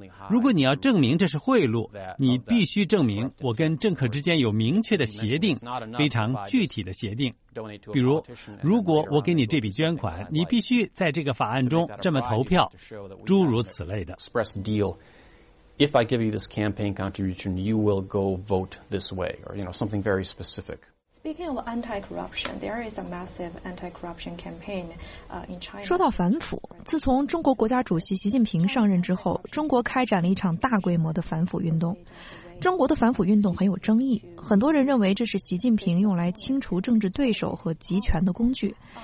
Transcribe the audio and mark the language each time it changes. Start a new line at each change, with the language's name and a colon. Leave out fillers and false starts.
Chinese: 如果你要证明这是贿赂，你必须证明我跟政客之间有明确的协定，非常具体的协定。比如，如果我给你这笔捐款，你必须在这个法案中这么投票，诸如此类的。
English: If I give you this campaign contribution, you will go vote this way, or you know, something very specific. Speaking of anti-corruption, there is a massive anti-corruption campaign in China.
Chinese: 说到反腐，自从中国国家主席习近平上任之后，中国开展了一场大规模的反腐运动。中国的反腐运动很有争议，很多人认为这是习近平用来清除政治对手和集权的工具。